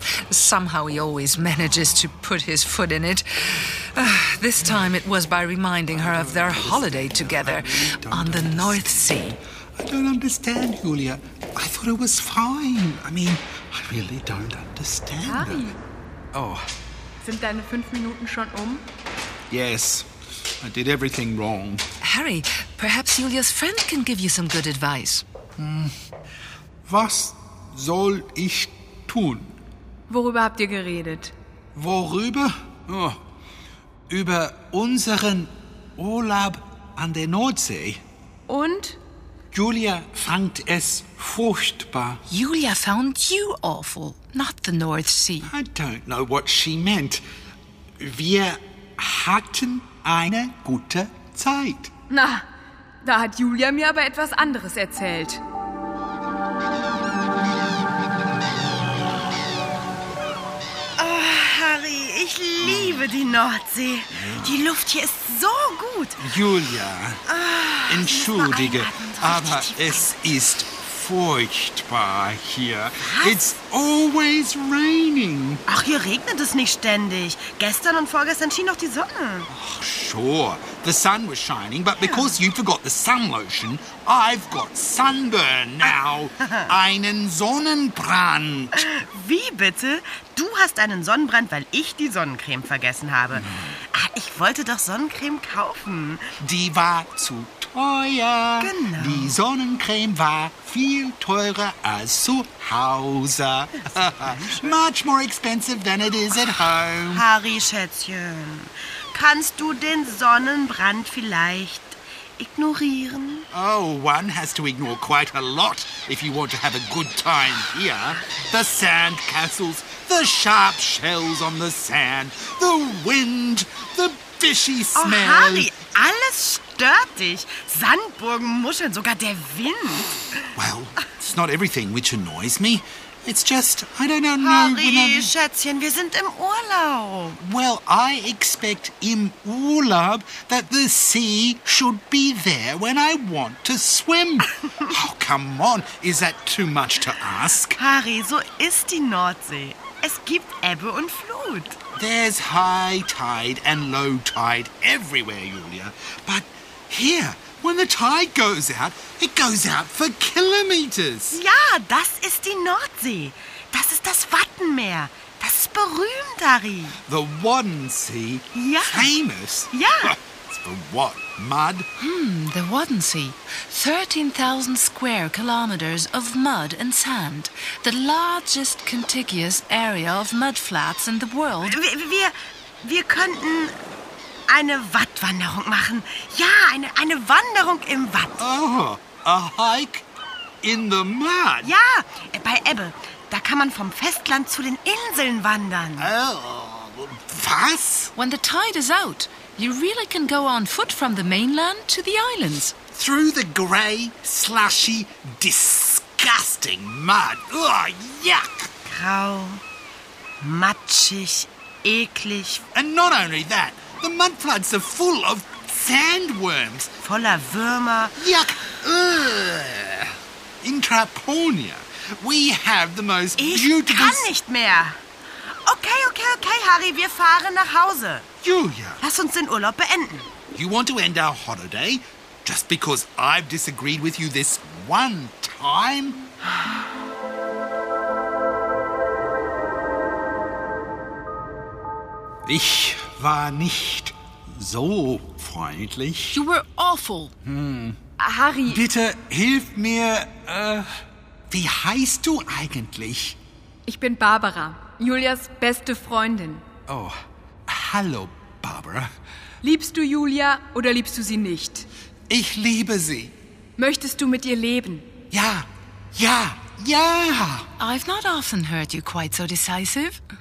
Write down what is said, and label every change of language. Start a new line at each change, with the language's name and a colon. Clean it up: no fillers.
English: Somehow he always manages to put his foot in it. This time it was by reminding her of their holiday together on the North Sea. I don't understand, Julia. I thought it was fine. I mean, I really don't understand. Harry. Oh.
German: Sind deine 5 Minuten schon um?
English: Yes. I did everything wrong. Harry, perhaps Julia's friend can give you some good advice.
German: Was soll ich tun? Worüber habt ihr geredet? Worüber? Oh. Über unseren Urlaub an der Nordsee. Und? Julia fand es furchtbar.
English: Julia found you awful, not the North Sea. I don't know what she meant.
German: Wir hatten eine gute Zeit. Na, da hat Julia mir aber etwas anderes erzählt. Oh, Harry, ich liebe die Nordsee. Ja. Die Luft hier ist so gut. Julia, entschuldige, aber es ist furchtbar hier. Was?
English: It's always raining.
German: Ach, hier regnet es nicht ständig. Gestern und vorgestern schien noch die Sonne.
English: Ach, sure. The sun was shining, but because you forgot the sun lotion, I've got sunburn now.
German: Einen Sonnenbrand. Wie bitte? Du hast einen Sonnenbrand, weil ich die Sonnencreme vergessen habe. Ich wollte doch Sonnencreme kaufen. Die war zu teuer. Genau. Die Sonnencreme war viel teurer als zu Hause.
English: Much more expensive than it is at home.
German: Harry, Schätzchen, kannst du den Sonnenbrand vielleicht ignorieren?
English: Oh, one has to ignore quite a lot if you want to have a good time here. The sand castles, the sharp shells on the sand, the wind, the fishy smell.
German: Oh, Harry, alles stört dich. Sandburgen, Muscheln, sogar der Wind.
English: Well, it's not everything which annoys me. It's just, I don't know. Harry, Schätzchen, wir sind im Urlaub. Well, I expect
German: im Urlaub
English: that the sea should be there when I want to swim. Oh, come on, is that too much to ask?
German: Harry, so ist die Nordsee. Es gibt Ebbe und Flut.
English: There's high tide and low tide everywhere, Julia. But here, when the tide goes out, it goes out for kilometers.
German: Ja, das ist die Nordsee. Das ist das Wattenmeer. Das ist berühmt, Harry.
English: The Wadden Sea?
German: Ja.
English: Famous?
German: Ja.
English: It's for what? Mud? The Wadden Sea. 13,000 square kilometers of mud and sand. The largest contiguous area of mud flats in the world.
German: Wir könnten eine Wattwanderung machen. Ja, eine Wanderung im Watt.
English: Oh, a hike in the mud.
German: Ja, bei Ebbe. Da kann man vom Festland zu den Inseln wandern. Oh, was?
English: When the tide is out, you really can go on foot from the mainland to the islands. Through the grey, slushy, disgusting mud. Oh, yuck.
German: Grau, matschig, eklig.
English: And not only that, the mud floods are full of sandworms.
German: Voller Würmer.
English: Yuck! Ugh. In Traponia, we have the most beautiful...
German: Ich kann nicht mehr. Okay, Harry, wir fahren nach Hause. Julia. Lass uns den Urlaub beenden.
English: You want to end our holiday? Just because I've disagreed with you this one time?
German: Ich war nicht so freundlich.
English: You were awful.
German: Harry. Bitte hilf mir. Wie heißt du eigentlich? Ich bin Barbara, Julias beste Freundin. Oh, hallo Barbara. Liebst du Julia oder liebst du sie nicht? Ich liebe sie. Möchtest du mit ihr leben? Ja, ja, ja.
English: I've not often heard you quite so decisive.